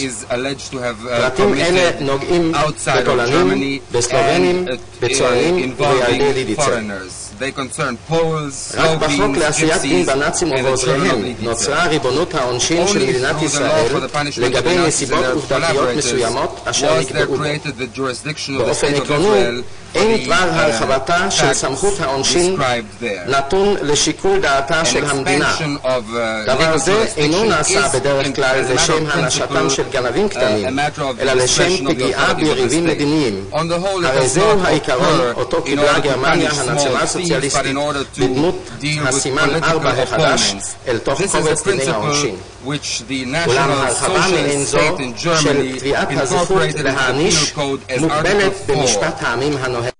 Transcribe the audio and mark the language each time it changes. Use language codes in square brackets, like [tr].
[en] is alleged to have committed outside of Germany and involving foreigners. They concern Poles, Slovenes, Gypsies, and presumably Gypsies. Only through the law for the punishment of the Nazis and their collaborators was there created the jurisdiction of the State of Israel [he] אין דבר הרחבתה של סמכות העונשין נתון לשיקול דעתה של המדינה. דבר זה אינו נעשה בדרך כלל לשם הנשתם של גנבים קטנים, אלא לשם פגיעה ביריבים מדיניים. הרי זהו העיקרון אותו קיבלה גרמניה הנצלה הסוציאליסטית בדמות הסימן 4 החדש אל תוך קובץ דיני העונשין. [en] Which the national socialist state in Germany incorporated into the penal code as Article 4.